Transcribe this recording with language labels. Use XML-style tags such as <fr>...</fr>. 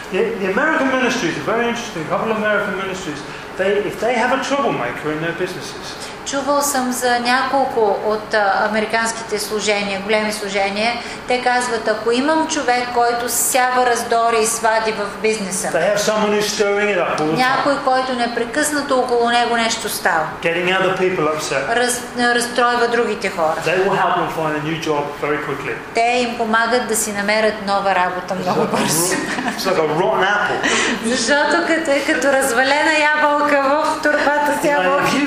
<en>The American ministries are very interesting. A couple of American ministries, if they have a troublemaker in their businesses.</en> <bg>Чувал съм за няколко от американските служения, големи служения. Те казват, ако имам човек, който сява раздори и свади в бизнеса,</bg> <en>they have someone who's stirring it up all the time.</en> <bg>Някой, който непрекъснато около него нещо става.</bg> <en>Getting other people upset.</en> <bg>Разстройва другите хора.</bg> <en>They will help them find a new job very quickly.</en> <bg>Те им помагат да си намерят нова работа много бързо.</bg> <en>It's like a rotten apple.</en> <bg>Защото като развалена ябълка в турбата с ябълка.</bg>